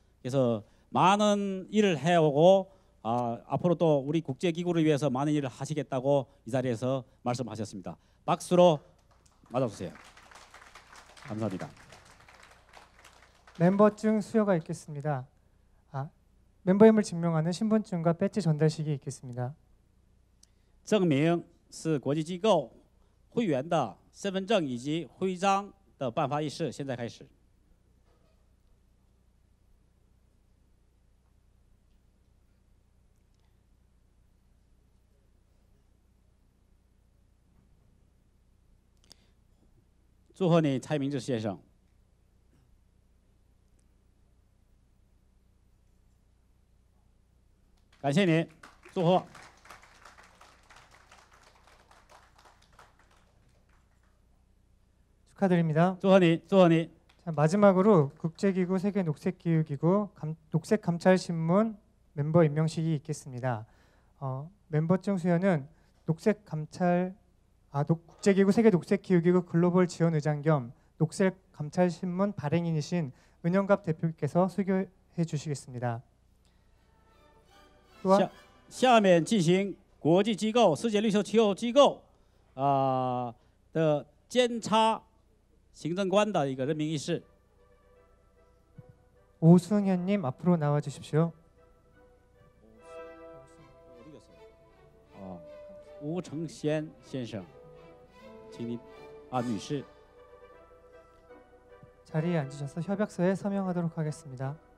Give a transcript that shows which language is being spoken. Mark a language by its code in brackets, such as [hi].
[ko] 그래서 많은 일을 해오고 앞으로 또 우리 국제기구를 위해서 많은 일을 하시겠다고 이 자리에서 말씀하셨습니다. 박수로 맞아주세요. 감사합니다. 멤버 중 수여가 있겠습니다. 멤버임을 증명하는 신분증과 배지 전달식이 있겠습니다. 증명 [zh] 是国际机构会员的身份证以及徽章 的颁发仪式现在开始。祝贺你，蔡明志先生！感谢您，祝贺。 [ko] 축하드립니다. 조헌이, 조헌이. 자, 마지막으로 국제기구 세계녹색기후기구 녹색감찰신문 멤버 임명식이 있겠습니다. 멤버 중 수현은 녹색 감찰 국제기구 세계 녹색 기후기구 글로벌 지원 의장 겸 녹색 감찰 신문 발행인이신 은영갑 대표께서 소개해 주시겠습니다. [zh] 下面进行国际机构世界绿色气候机构的监察行政官的一个任命仪式。 [ko] 오승현님 앞으로 나와 주십시오. [zh] 오승현先生,请您,女士. [ko] 자리에 앉으셔서 협약서에 서명하도록 하겠습니다.